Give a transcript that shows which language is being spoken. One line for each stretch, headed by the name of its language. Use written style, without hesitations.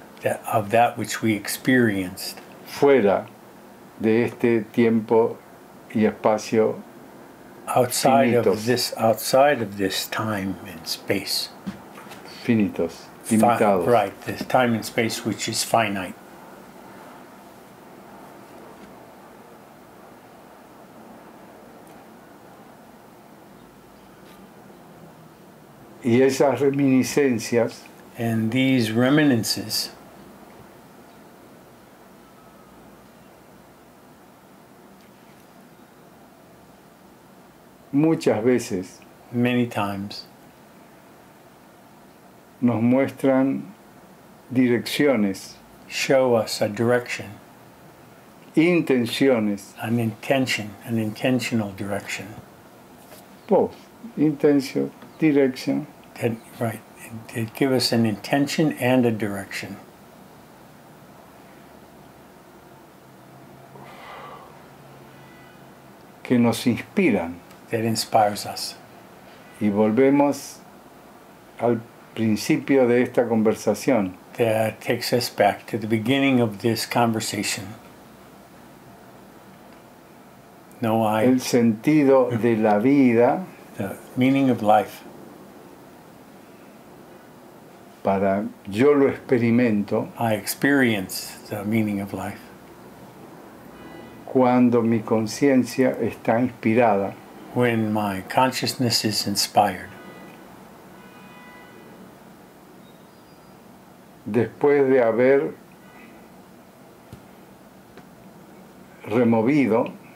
English: that, of that which we experienced,
Spanish: fuera de este tiempo y espacio,
English: outside
Spanish: finitos.
English: outside of this time and space,
Spanish: finitos, limitados.
English: Right, this time and space which is finite.
Spanish: Y esas reminiscencias,
English: and these reminiscences,
Spanish: muchas veces,
English: many times,
Spanish: nos muestran direcciones,
English: show us a direction,
Spanish: intenciones,
English: an intention, an intentional direction, both, intention, direction. That, right, it give us an intention and a direction.
Spanish: Que nos inspiran.
English: That inspires us.
Spanish: Y volvemos al principio de esta conversación.
English: That takes us back to the beginning of this conversation. No, I.
Spanish: El sentido de la vida.
English: The meaning of life.
Spanish: Para yo lo experimento.
English: I experience the meaning of life.
Spanish: Cuando mi conciencia está inspirada.
English: When my consciousness is inspired.
Spanish: Después de haber removido.